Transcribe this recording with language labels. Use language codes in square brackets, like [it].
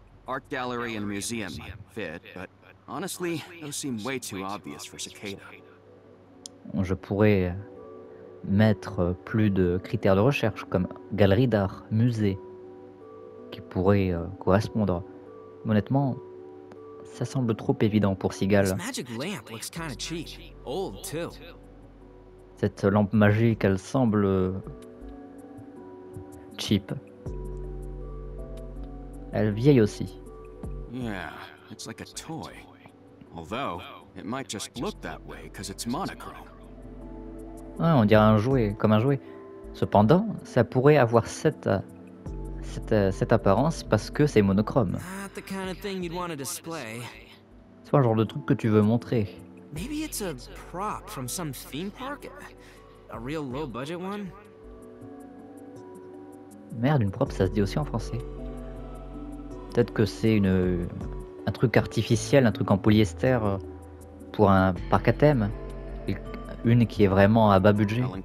[en] Art gallery and museum might fit, but honestly, those seem way too obvious for Cicada. [fr] Je pourrais mettre plus de critères de recherche comme galerie d'art, musée, qui pourraient correspondre. Honnêtement, ça semble trop évident pour Seagal. [en] This magic lamp looks kind of cheap, old too. [fr] Cette lampe magique, elle semble cheap. Elle vieille aussi. [en] Yeah, it's like a toy. Although, it might just look that way because it's monochrome. [fr] Ah, on dirait un jouet, comme un jouet. Cependant, ça pourrait avoir cette apparence parce que c'est monochrome. [en] Not the kind of thing you'd want to display. [fr] C'est pas le genre de truc que tu veux montrer. [en] Maybe it's a prop from some theme park, a real low budget one. [fr] Merde, une prop, ça se dit aussi en français. Peut-être que c'est un truc artificiel, un truc en polyester pour un parc à thème. Une qui est vraiment à bas budget.